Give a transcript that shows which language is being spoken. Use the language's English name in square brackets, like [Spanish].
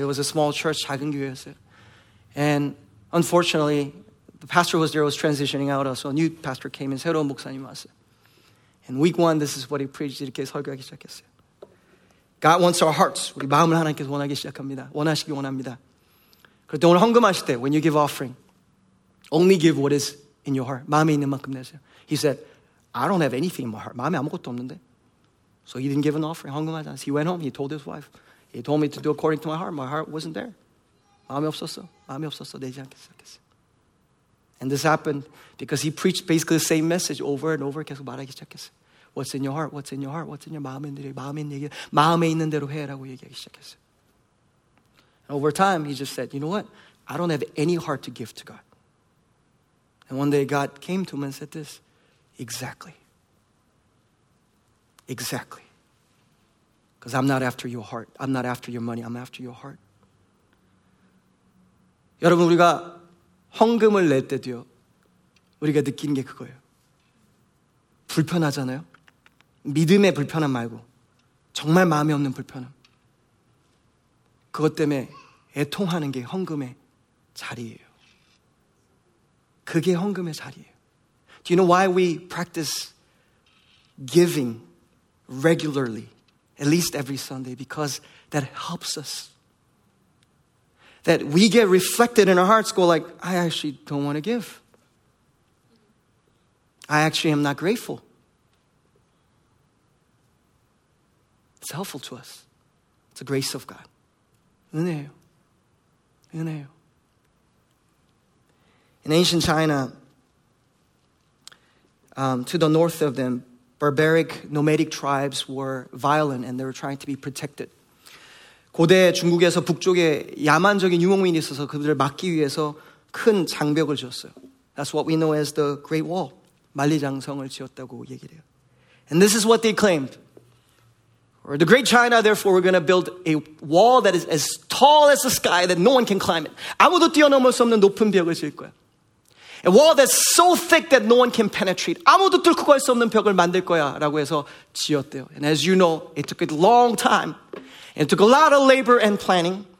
[English] It was a small church, [Korean] 작은 교회였어요. [English] And unfortunately, the pastor was there, was transitioning out, so a new pastor came in, [Korean] 새로운 목사님 왔어요. [English] And week one, this is what he preached, [Korean] 이렇게 설교하기 시작했어요. [English] God wants our hearts, [Korean] 우리 마음을 하나님께서 원하기 시작합니다. 원하시기 원합니다. 그럴 때 오늘 헌금하실 때, [English] when you give offering, only give what is in your heart, [Korean] 마음에 있는 만큼 내세요. [English] He said, I don't have anything in my heart, [Korean] 마음에 아무것도 없는데. [English] So he didn't give an offering, [Korean] 헌금하지 않았어요. [English] He went home, he told his wife, he told me to do according to my heart wasn't there. [Korean] 마음이 없었어, 내지 않겠어, 알겠어. [English] And this happened because he preached basically the same message over and over, [Korean] 계속 말하기 시작했어. [English] What's in your heart, what's in your heart, what's in your [Korean] 마음에 있는 얘기, 마음에 있는 대로 해라고 얘기하기 시작했어. [English] And over time, he just said, you know what? I don't have any heart to give to God. And one day God came to him and said this, exactly. Exactly. Because I'm not after your heart. I'm not after your money. I'm after your heart. [Korean] 여러분, 우리가 헌금을 낼 때도요, 우리가 느끼는 게 그거예요. 불편하잖아요? 믿음의 불편함 말고, 정말 마음에 없는 불편함. 그것 때문에 애통하는 게 헌금의 자리예요. 그게 헌금의 자리예요. [English] Do you know why we practice giving regularly, at least every Sunday? Because that helps us. That we get reflected in our hearts, go like, I actually don't want to give. I actually am not grateful. It's helpful to us. It's a grace of God. [Korean] 은혜예요. 은혜예요. [English] In ancient China, to the north of them, barbaric nomadic tribes were violent and they were trying to be protected. [Korean] 고대 중국에서 북쪽에 야만적인 유목민이 있어서 그들을 막기 위해서 큰 장벽을 지었어요. [English] That's what we know as the Great Wall. [Korean] 만리장성을 지었다고 얘기를 해요. [English] And this is what they claimed. Or the Great China, therefore, we're going to build a wall that is as tall as the sky that no one can climb it. [Korean] 아무도 뛰어넘을 수 없는 높은 벽을 지을 거야. [English] A wall that's so thick that no one can penetrate. [Korean] 아무도 뚫고 갈 수 없는 벽을 만들 거야 라고 해서 지었대요. [English] And as you know, it took a long time. It took a lot of labor and planning.